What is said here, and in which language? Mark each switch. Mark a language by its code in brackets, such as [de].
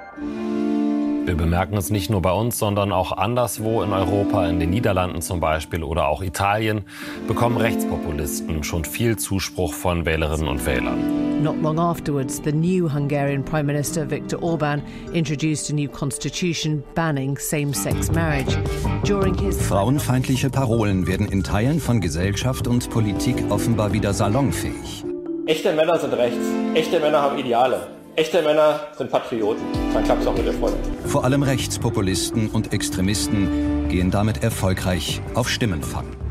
[de] Wir bemerken es nicht nur bei uns, sondern auch anderswo in Europa, in den Niederlanden zum Beispiel oder auch Italien, bekommen Rechtspopulisten schon viel Zuspruch von Wählerinnen und Wählern. [en] Not long afterwards, the new Hungarian Prime Minister Viktor Orbán introduced a new constitution banning same-sex marriage. [de] Frauenfeindliche Parolen werden in Teilen von Gesellschaft und Politik offenbar wieder salonfähig. Echte Männer sind rechts. Echte Männer haben Ideale. Echte Männer sind Patrioten. Dann klappt's auch mit Erfolg. Vor allem Rechtspopulisten und Extremisten gehen damit erfolgreich auf Stimmenfang.